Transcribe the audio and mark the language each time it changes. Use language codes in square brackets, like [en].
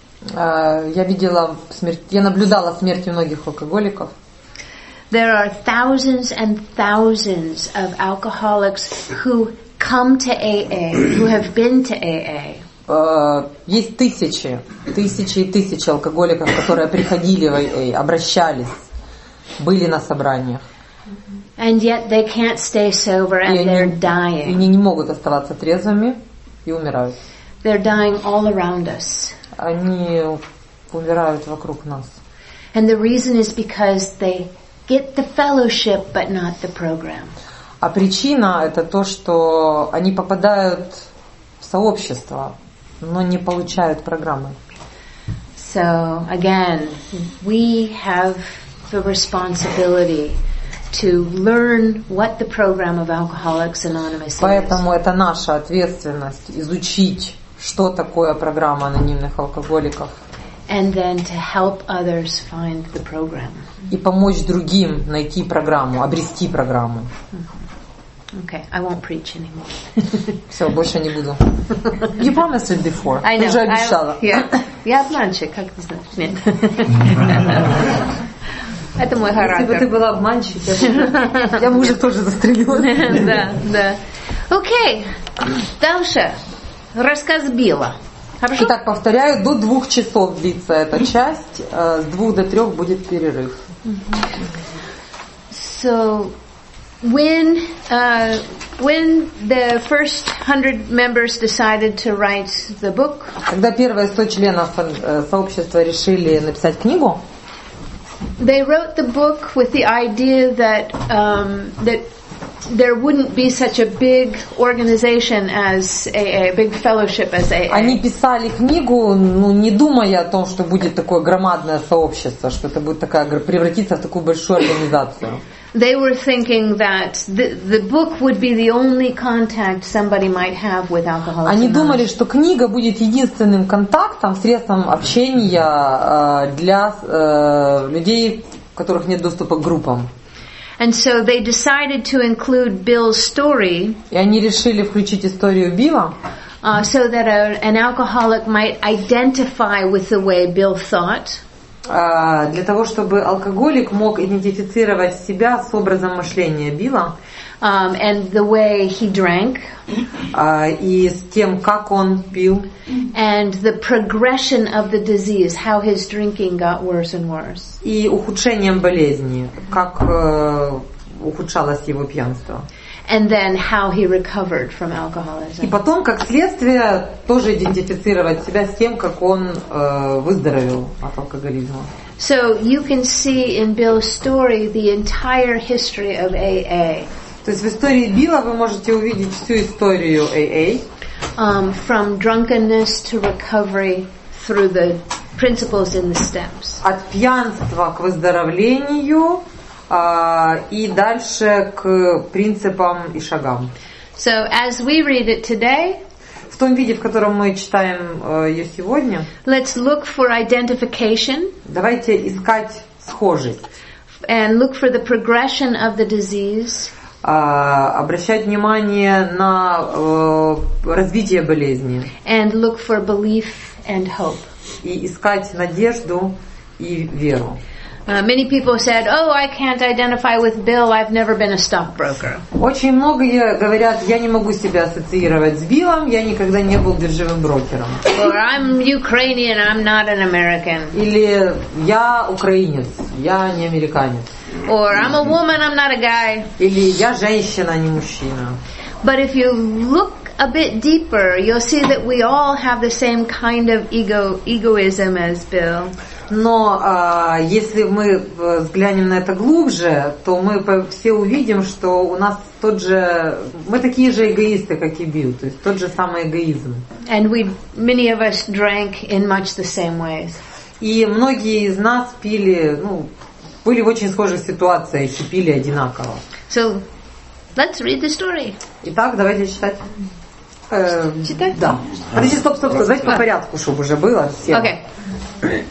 [ru] Я видела смерть, я наблюдала смерть многих алкоголиков. [en] There are thousands and thousands of alcoholics who come to AA, who have been to AA. [ru] Есть тысячи, тысячи и тысячи алкоголиков, которые приходили в AA, обращались, были на собраниях. [en] And yet they can't stay sober and they're dying. [ru] И они не могут оставаться трезвыми и умирают. [en] They're dying all around us. [ru] Они умирают вокруг нас. [en] And the reason is because they get the fellowship, but not the program. [ru] А причина это то, что они попадают в сообщество, но не получают программы. [en] So again, we have the responsibility to learn what the program of Alcoholics Anonymous is. [ru] Поэтому это наша ответственность изучить, что такое программа анонимных алкоголиков. [en] And then to help others find the program. [ru] И помочь другим найти программу, обрести программу. [en] Okay, I won't preach anymore. [ru] Все, больше не буду. [en] You promised it before. I know. [ru] Ты же обещала. [en] Yeah. [ru] Я обманщик, как ты знаешь? Нет. Это мой характер. Если бы ты была обманщик, я бы уже тоже застрелила. Да, да. Окей, дальше. Рассказ Билла. Хорошо? Итак, повторяю, до 2 часов длится эта часть. С 2 до 3 будет перерыв. [en] So... When when the first 100 members decided to write the book, [ru] когда первые 100 членов сообщества решили написать книгу, [en] they wrote the book with the idea that that there wouldn't be such a big organization as AA, a big fellowship as AA. [ru] Они писали книгу, ну, не думая о том, что будет такое громадное сообщество, что это будет такая, превратиться в такую большую организацию. [en] They were thinking that the book would be the only contact somebody might have with alcoholism. [ru] Они думали, что книга будет единственным контактом, средством общения для людей, у которых нет доступа к группам. [en] And so they decided to include Bill's story. [ru] И они решили включить историю Билла. [en] So that an alcoholic might identify with the way Bill thought. [ru] Для того, чтобы алкоголик мог идентифицировать себя с образом мышления Билла. [en] And the way he drank. [ru] И с тем, как он пил. [en] And the progression of the disease, how his drinking got worse and worse. [ru] И ухудшением болезни, как ухудшалось его пьянство. [en] And then how he recovered from alcoholism. [ru] И потом, как следствие, тоже идентифицировать себя с тем, как он выздоровел от алкоголизма. [en] So you can see in Bill's story the entire history of AA. [ru] То есть в истории Билла вы можете увидеть всю историю AA. [en] From drunkenness to recovery through the principles in the steps. [ru] От пьянства к выздоровлению. И дальше к принципам и шагам. [en] So as we read it today, [ru] в том виде, в котором мы читаем ее сегодня, [en] let's look for identification. [ru] Давайте искать схожесть. [en] And look for the progression of the disease. [ru] Обращать внимание на развитие болезни. [en] And look for belief and hope. [ru] И искать надежду и веру. [en] Many people said, "Oh, I can't identify with Bill. I've never been a stockbroker." [ru] Очень многие говорят, я не могу себя ассоциировать с Биллом. Я никогда не был биржевым брокером. [en] Or I'm Ukrainian. I'm not an American. [ru] Или я украинец. Я не американец. [en] Or I'm a woman. I'm not a guy. [ru] Или я женщина, а не мужчина. [en] But if you look a bit deeper, you'll see that we all have the same kind of egoism as Bill. [ru] Но если мы взглянем на это глубже, то мы все увидим, что у нас тот же, мы такие же эгоисты, как и Билл, то есть тот же самый эгоизм. [en] And we, many of us drank in much the same ways. [ru] И многие из нас пили, ну, были в очень схожих ситуациях и пили одинаково. [en] So, let's read the story. [ru] Итак, давайте читать. Читать? Да. Подожди, стоп. Давайте по порядку, чтобы уже было. Окей. [en] Okay.